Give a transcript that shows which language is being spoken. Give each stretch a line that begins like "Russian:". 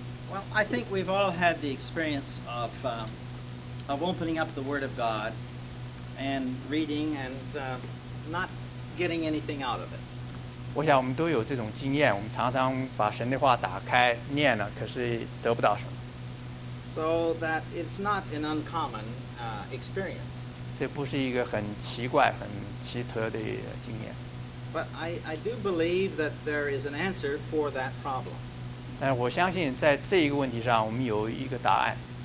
English: Well, I think we've all had the experience of opening up the Word of God and reading and not getting anything out of it.
Chinese: 我想我们都有这种经验，我们常常把神的话打开念了，可是得不到什么。
English: So that it's not an uncommon experience.
Chinese: 这不是一个很奇怪、很奇特的经验。
English: But I do believe that there is an answer for that problem.
Chinese: 但我相信在这一个问题上，我们有一个答案。